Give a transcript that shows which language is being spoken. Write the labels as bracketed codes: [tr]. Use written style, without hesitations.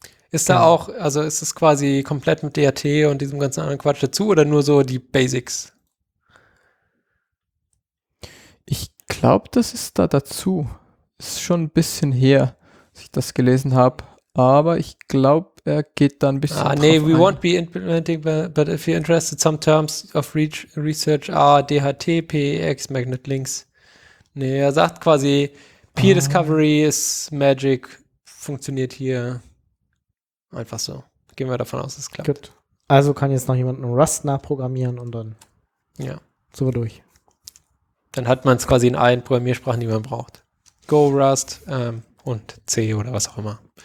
[de] Ist da auch, also ist es quasi komplett mit DRT und diesem ganzen anderen Quatsch dazu oder nur so die Basics? Ich glaube, das ist da dazu. Ist schon ein bisschen her, dass ich das gelesen habe. Aber ich glaube, er geht da ein bisschen drauf ein. [en] Won't be implementing, but if you're interested, some terms of research are DHT, PEX, Magnet Links. [de] Nee, er sagt quasi, [en] Peer Discovery is magic, [de] funktioniert hier einfach so. Gehen wir davon aus, es klappt. Gut. Also kann jetzt noch jemand einen Rust nachprogrammieren und dann sind wir durch. Dann hat man es quasi in allen Programmiersprachen, die man braucht. Go, Rust und C oder was auch immer.